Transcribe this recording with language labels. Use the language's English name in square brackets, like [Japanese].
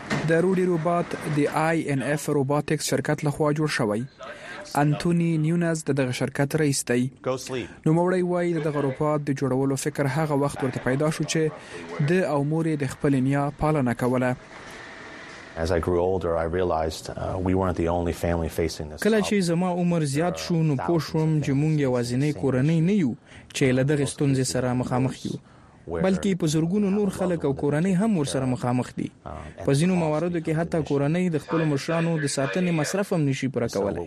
[Pashto] د روډي روبات د INF روباتکس شرکت لخوا جوړ شوی. انټونی نیونز د دغه شرکت رئیس دی. نو موري وای دغه روبات د جوړولو فکر هغه وخت ورته پیدا شو چې د امور د خپل نیا پالنه کوله. [English] As I grew older I realized we weren't the only family facing this. [Pashto] کله چې زما عمر زیات شو نو پوه شوم چې مونږ یوازینې کورنۍ نه یو چې له دغه ستونزې سره مخامخ یو، بلکې په زرګونو نور خلک او کورنۍ هم ورسره مخامخ دي. په ځینو مواردو کې حتی کورنۍ د خپل مشرانو د ساتنې مصرف هم نشي پوره کولای.